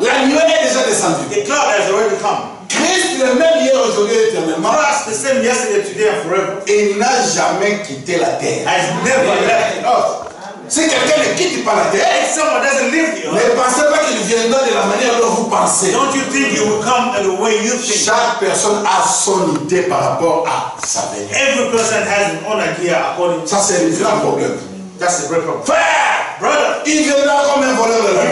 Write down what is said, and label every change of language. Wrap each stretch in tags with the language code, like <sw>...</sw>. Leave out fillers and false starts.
<fr>La nuée est déjà descendue.</fr> <en>The cloud has already come.</en> <fr>Christ le même hier aujourd'hui éternellement.</fr> <en>Christ the same yesterday, today and forever.</en> <fr>Il n'a jamais quitté la terre.</fr> <en>Has never left us.</en> <fr>Si quelqu'un ne quitte pas la terre,</fr> <en>if someone doesn't leave you,</en> <fr>ne pensez pas qu'il viendra de la manière dont vous pensez.</fr> <en>Don't you think he will come in the way you think?</en> <fr>Chaque personne a son idée par rapport à sa venue.</fr> <en>Every person has an own idea according.</en> <fr>Ça c'est un grand problème.</fr> <en>That's a great problem. Fair, brother.</en> <fr>Il viendra comme un voleur de la nuit.</fr>